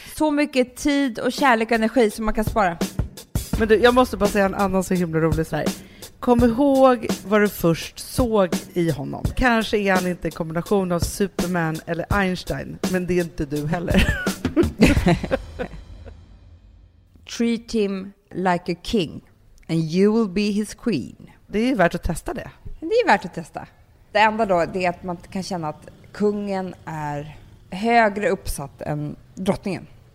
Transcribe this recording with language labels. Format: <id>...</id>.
<sv>Så mycket tid och kärlek och energi som man kan spara. Men du, jag måste bara säga en annan så himla rolig sak. Kom ihåg vad du först såg i honom. Kanske är han inte en kombination av Superman eller Einstein, men det är inte du heller.</sv> <en>Treat him like a king and you will be his queen.</en> <sv>Det är ju värt att testa det. Det är värt att testa. Det enda då är att man kan känna att kungen är högre uppsatt än drottningen.</sv>